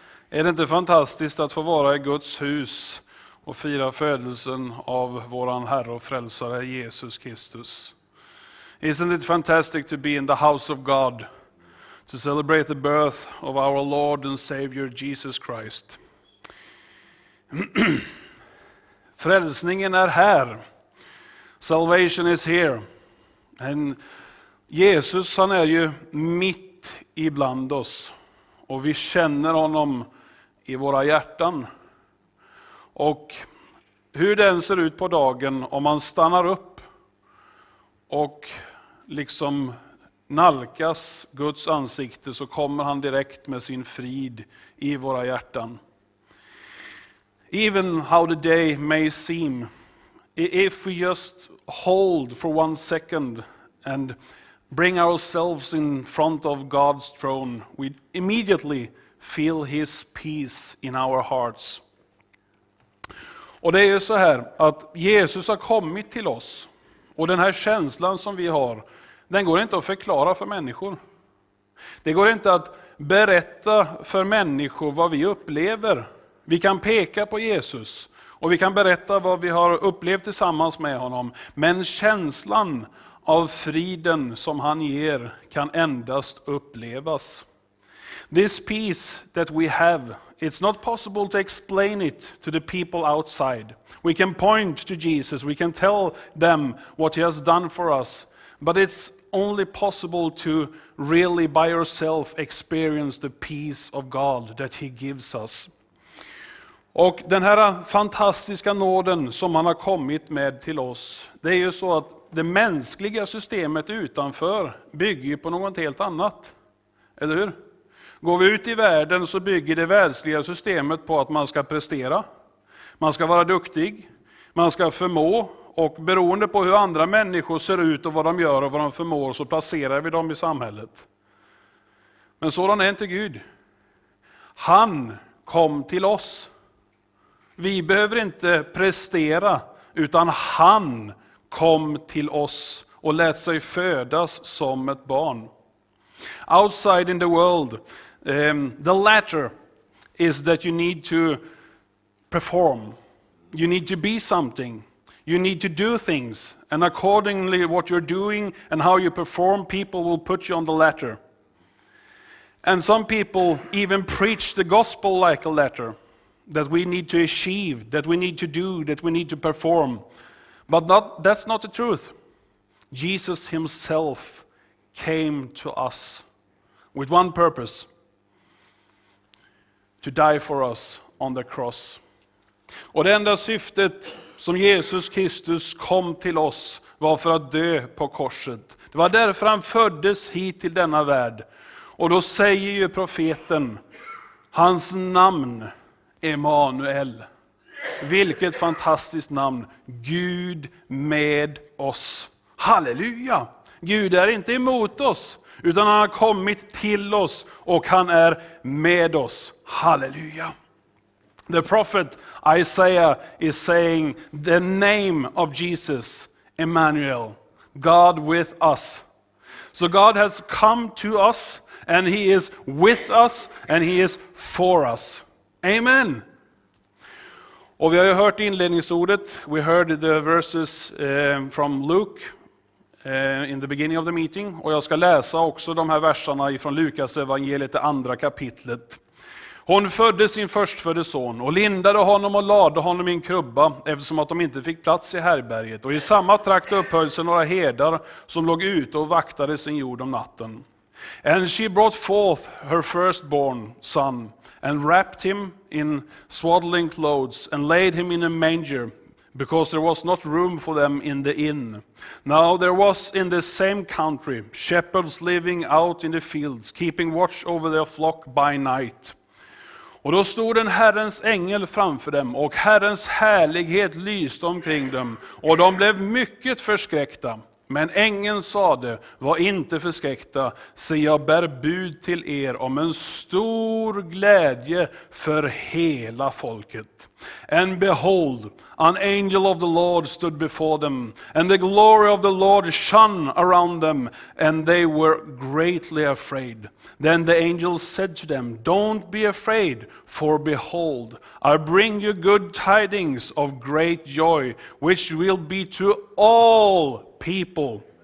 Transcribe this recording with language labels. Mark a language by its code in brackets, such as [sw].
[sv] Är det inte fantastiskt att få vara i Guds hus och fira födelsen av våran Herre och Frälsare Jesus Kristus? [en] Isn't it fantastic to be in the house of God to celebrate the birth of our Lord and Savior Jesus Christ? [sv] Frälsningen är här. [en] Salvation is here. [sv] Men Jesus, han är ju mitt ibland oss och vi känner honom i våra hjärtan. Och hur den ser ut på dagen om man stannar upp och liksom nalkas Guds ansikte, så kommer han direkt med sin frid i våra hjärtan. [en] Even how the day may seem, if we just hold for one second and bring ourselves in front of God's throne, we immediately feel his peace in our hearts. [sv] Och det är så här att Jesus har kommit till oss. Och den här känslan som vi har, den går inte att förklara för människor. Det går inte att berätta för människor vad vi upplever. Vi kan peka på Jesus och vi kan berätta vad vi har upplevt tillsammans med honom. Men känslan av friden som han ger kan endast upplevas. [en] This peace that we have, it's not possible to explain it to the people outside. We can point to Jesus, we can tell them what he has done for us, but it's only possible to really by yourself experience the peace of God that he gives us. [sv] Och den här fantastiska nåden som han har kommit med till oss, det är ju så att det mänskliga systemet utanför bygger ju på något helt annat. Eller hur? Går vi ut i världen så bygger det världsliga systemet på att man ska prestera. Man ska vara duktig. Man ska förmå. Och beroende på hur andra människor ser ut och vad de gör och vad de förmår, så placerar vi dem i samhället. Men sådan är inte Gud. Han kom till oss. Vi behöver inte prestera, utan han kom till oss och lät sig födas som ett barn. [en] Outside in the world, the latter is that you need to perform. You need to be something. You need to do things. And accordingly what you're doing and how you perform, people will put you on the latter. And some people even preach the gospel like a latter. That we need to achieve, that we need to do, that we need to perform. But that's not the truth. Jesus himself came to us with one purpose. To die for us on the cross. [sv] Och det enda syftet som Jesus Kristus kom till oss var för att dö på korset. Det var därför han föddes hit till denna värld. Och då säger ju profeten, hans namn Emmanuel. Vilket fantastiskt namn. Gud med oss. Halleluja! Gud är inte emot oss, utan han har kommit till oss och han är med oss. Halleluja! [en] The prophet Isaiah is saying the name of Jesus, Emmanuel, God with us. So God has come to us and he is with us and he is for us. Amen! [sv] Och vi har ju hört inledningsordet. [en] We heard the verses from Luke in the beginning of the meeting. [sv] Och jag ska läsa också de här verserna från Lukas evangeliet, det andra kapitlet. Hon födde sin förstfödde son och lindade honom och lade honom i en krubba eftersom att de inte fick plats i härberget. Och i samma trakt upphöll sig några herdar som låg ute och vaktade sin jord om natten. [en] And she brought forth her firstborn son and wrapped him in swaddling clothes and laid him in a manger, because there was not room for them in the inn. Now there was in the same country shepherds living out in the fields, keeping watch over their flock by night. [sv] Och då stod en Herrens ängel framför dem, och Herrens härlighet lyste omkring dem, och de blev mycket förskräckta. Men ängeln sade, var inte förskräckta, se jag bär bud till er om en stor glädje för hela folket. [en] And behold, an angel of the Lord stood before them, and the glory of the Lord shone around them, and they were greatly afraid. Then the angel said to them, don't be afraid, for behold, I bring you good tidings of great joy, which will be to all people.